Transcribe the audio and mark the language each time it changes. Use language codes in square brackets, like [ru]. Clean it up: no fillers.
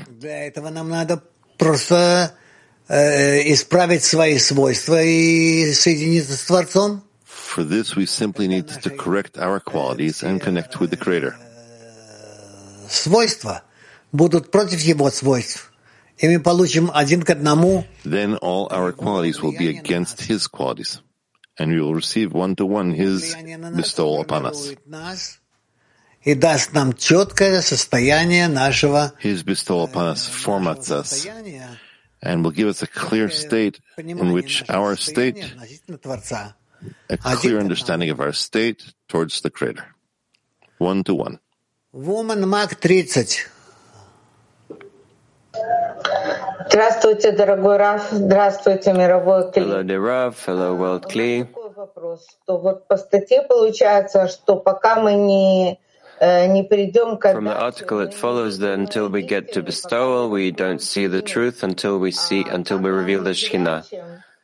[ru] Для этого нам надо просто... исправить свои свойства и соединиться с Творцом. [en] For this we simply need to correct our qualities and connect with the Creator. [ru] Свойства будут против Его свойств, и мы получим один к одному. [en] Then all our qualities will be against His qualities, and we will receive one to one His bestowal upon us. [ru] И даст нам четкое состояние нашего. [en] His bestowal upon us formats us. And will give us a clear state in which our state, a clear understanding of our state towards the Creator. One to one. Woman Mag 30. [ru] Здравствуйте, дорогой Рав. Здравствуйте, мировой Кли. [en] Hello, dear Rav. Hello, world Кли. [ru] Такой вопрос, что вот по статье получается, что пока мы не... [en] From the article, it follows that until we get to bestowal, we don't see the truth until we see, until we reveal the Shekhinah.